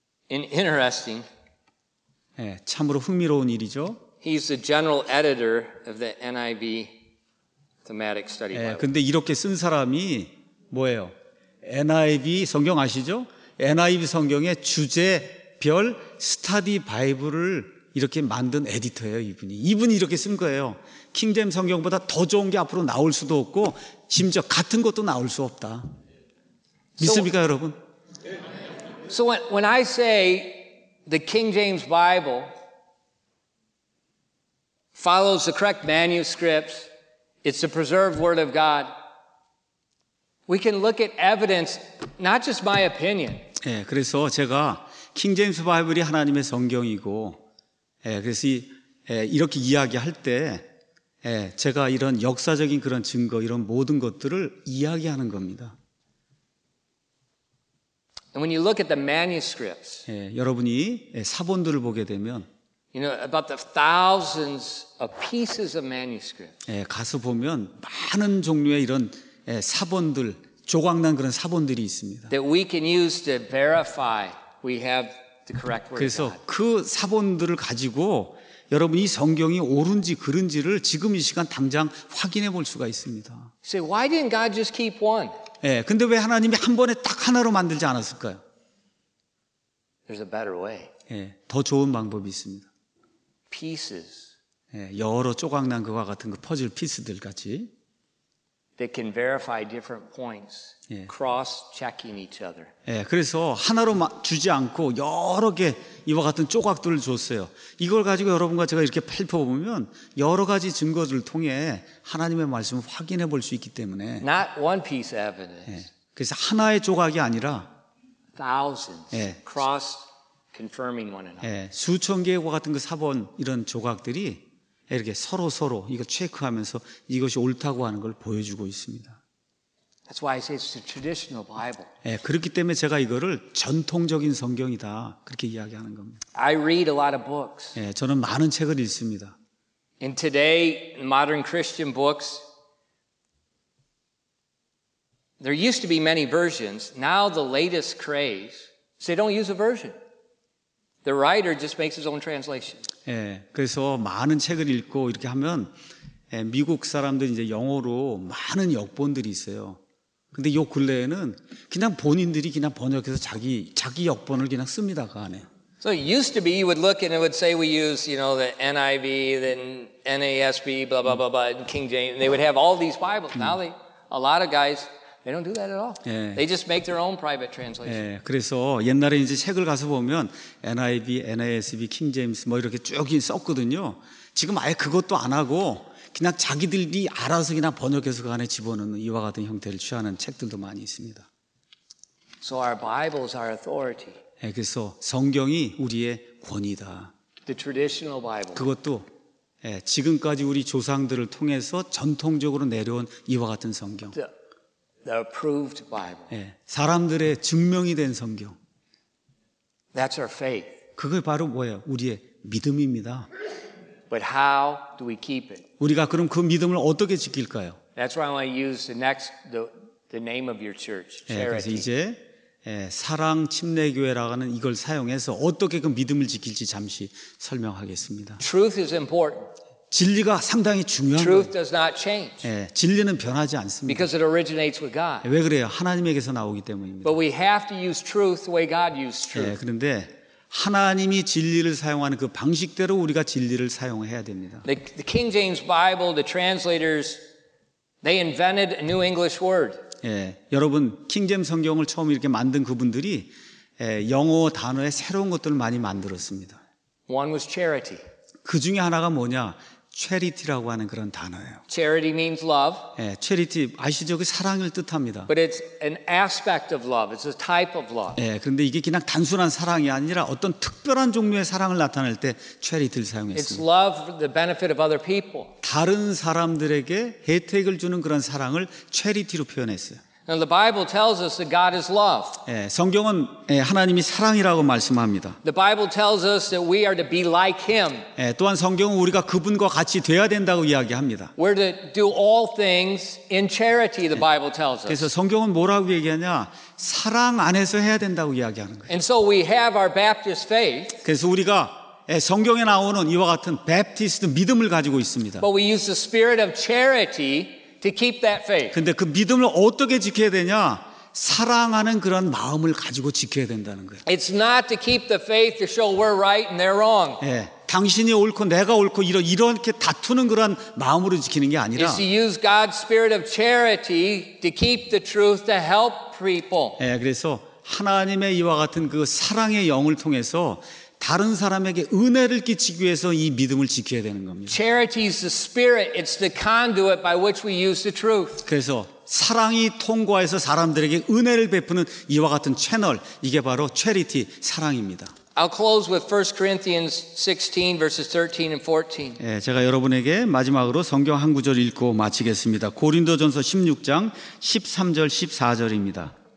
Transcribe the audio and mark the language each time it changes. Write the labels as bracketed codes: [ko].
[en] Interesting. [ko] 예, 참으로 흥미로운 일이죠. [en] He's the general editor of the NIV thematic study Bible. [ko] 예, 근데 이렇게 쓴 사람이 뭐예요? NIV 성경 아시죠? NIV 성경의 주제별 스터디 바이블을 이렇게 만든 에디터예요, 이분이. 이분이 이렇게 쓴 거예요. 킹잼 성경보다 더 좋은 게 앞으로 나올 수도 없고 심지어 같은 것도 나올 수 없다. 믿습니까, 여러분? [en] So when I say the King James Bible follows the correct manuscripts, it's the preserved word of God, we can look at evidence, not just my opinion. [ko] 예, 그래서 제가 킹 제임스 바이블이 하나님의 성경이고, 예, 그래서 이, 예, 이렇게 이야기할 때, 예, 제가 이런 역사적인 그런 증거, 이런 모든 것들을 이야기하는 겁니다. [en] And when you look at the manuscripts, [ko] 예, 여러분이 사본들을 보게 되면, [en] you know about the thousands of pieces of manuscripts. [ko] 예, 가서 보면 많은 종류의 이런 예, 사본들, 조각난 그런 사본들이 있습니다. [en] That we can use to verify we have the correct word. [ko] 그래서 그 사본들을 가지고 여러분이 성경이 옳은지 그른지를 지금 이 시간 당장 확인해 볼 수가 있습니다. [en] So why didn't God just keep one? [ko] 예, 근데 왜 하나님이 한 번에 딱 하나로 만들지 않았을까요? [en] There's a better way. [ko] 예, 더 좋은 방법이 있습니다. [en] Pieces. [ko] 예, 여러 조각난 그와 같은 그 퍼즐 피스들 같이. [en] They can verify different points, cross-checking each other. [ko] 예, 그래서 하나로 주지 않고 여러 개 이와 같은 조각들을 줬어요. 이걸 가지고 여러분과 제가 이렇게 펼쳐보면 여러 가지 증거들을 통해 하나님의 말씀을 확인해 볼 수 있기 때문에. [en] Not one piece of evidence. [ko] 예, 그래서 하나의 조각이 아니라 [en] thousands cross-confirming one another. [ko] 예, 수천 개와 같은 그 사본 이런 조각들이. 이렇게 서로 이거 체크하면서 이것이 옳다고 하는 걸 보여주고 있습니다. [en] That's why I say it's a traditional Bible. [ko] 예, 그렇기 때문에 제가 이거를 전통적인 성경이다 그렇게 이야기하는 겁니다. [en] I read a lot of books. [ko] 예, 저는 많은 책을 읽습니다. [en] In today, modern Christian books, there used to be many versions. Now the latest craze, so they don't use a version. The writer just makes his own translation. [ko] 예, 그래서 많은 책을 읽고 이렇게 하면 예, 미국 사람들 이제 영어로 많은 역본들이 있어요. 근데 요 근래에는 그냥 본인들이 그냥 번역해서 자기 역본을 그냥 씁니다 그 안에. [en] So it used to be you would look and it would say we use you know the NIV, then NASB, blah blah blah blah, King James. They would have all these Bibles. Now they, a lot of guys, They don't do that at all. 예. They just make their own private translation. [ko] 예. 그래서 옛날에 이제 책을 가서 보면 NIV, NASB, King James 뭐 이렇게 쭉 썼거든요. 지금 아예 그것도 안 하고 그냥 자기들이 알아서 그냥 번역해서 그 안에 집어넣는 이와 같은 형태를 취하는 책들도 많이 있습니다. [en] So our Bibles are authority. [ko] 예, 그래서 성경이 우리의 권위다. [en] The traditional Bible. [ko] 그것도 예, 지금까지 우리 조상들을 통해서 전통적으로 내려온 이와 같은 성경. [en] The approved Bible. [ko] 예, 사람들의 증명이 된 성경. [en] That's our faith. [ko] 그게 바로 뭐예요? 우리의 믿음입니다. [en] But how do we keep it? [ko] 우리가 그럼 그 믿음을 어떻게 지킬까요? [en] That's why I want to use the next the name of your church, charity. [ko] 예, 그래서 이제 예, 사랑 침례교회라는 이걸 사용해서 어떻게 그 믿음을 지킬지 잠시 설명하겠습니다. [en] Truth is important. [ko] 진리가 상당히 중요한 [en] Truth [ko] 거예요. [en] Does not change. [ko] 예, 진리는 변하지 않습니다. [en] Because it originates with God. [ko] 왜 그래요? 하나님에게서 나오기 때문입니다. [en] But we have to use truth the way God used truth. [ko] 예, 그런데 하나님이 진리를 사용하는 그 방식대로 우리가 진리를 사용해야 됩니다. [en] The King James Bible, the translators, they invented a new English word. [ko] 예, 여러분 킹제임스 성경을 처음 이렇게 만든 그분들이 예, 영어 단어에 새로운 것들을 많이 만들었습니다. [en] One was charity. [ko] 그 중에 하나가 뭐냐? charity라고 하는 그런 단어예요. [en] Charity means love. [ko] 예, charity 아시죠? 그 사랑을 뜻합니다. [en] But it's an aspect of love. It's a type of love. [ko] 예, 그런데 이게 그냥 단순한 사랑이 아니라 어떤 특별한 종류의 사랑을 나타낼 때 charity를 사용했습니다. [en] It's love for the benefit of other people. [ko] 다른 사람들에게 혜택을 주는 그런 사랑을 charity로 표현했어요. [en] Now the Bible tells us that God is love. [ko] 예, 성경은 예, 하나님이 사랑이라고 말씀합니다. [en] The Bible tells us that we are to be like Him. [ko] 예, 또한 성경은 우리가 그분과 같이 되어야 된다고 이야기합니다. [en] We're to do all things in charity. The Bible tells us. [ko] 그래서 성경은 뭐라고 얘기하냐? 사랑 안에서 해야 된다고 이야기하는 거예요. [en] And so we have our Baptist faith. [ko] 그래서 우리가 예, 성경에 나오는 이와 같은 Baptist 믿음을 가지고 있습니다. [en] But we use the spirit of charity. To keep that faith. [ko] 근데 그 믿음을 어떻게 지켜야 되냐? 사랑하는 그런 마음을 가지고 지켜야 된다는 거예요. [en] It's not to keep the faith to show we're right and they're wrong. [ko] 예, 당신이 옳고 내가 옳고 이렇게 다투는 그런 마음으로 지키는 게 아니라. [en] It's to use God's spirit of charity to keep the truth to help people. [ko] 예, 그래서 하나님의 이와 같은 그 사랑의 영을 통해서 다른 사람에게 은혜를 끼치기 위해서 이 믿음을 지켜야 되는 겁니다. [en] Charity is the spirit. It's the conduit by which we use the truth. [ko] 그래서 사랑이 통과해서 사람들에게 은혜를 베푸는 이와 같은 채널 이게 바로 charity 사랑입니다. [en] I'll close with 1 Corinthians 16 verses 13 and 14. [ko] 예, 제가 여러분에게 마지막으로 성경 한 구절 읽고 마치겠습니다. 고린도전서 16장 13절 14절입니다.